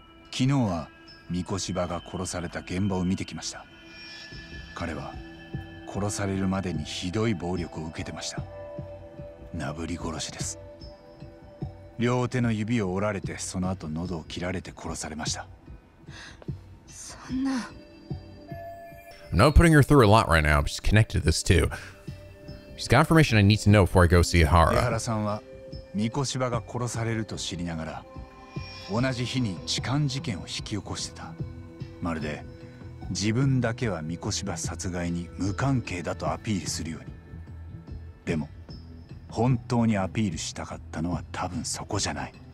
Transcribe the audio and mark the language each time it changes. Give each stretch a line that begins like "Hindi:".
Japanese: 昨日は三越葉が殺された現場を見てきました。彼は殺されるまでにひどい暴力を受けてました。殴り殺しです。両手の指を折られて、その後喉を切られて殺されました。そんな。
English: I'm not putting her through a lot right now, but she's connected to this too. She's got information I need to know before I go see Ehara.
Japanese: 江原さんは三越葉が殺されると知りながら同じ日に痴漢事件を引き起こしてた。まるで自分だけは三越場殺害に無関係だとアピールするように。でも本当にアピールしたかったのは多分そこじゃない。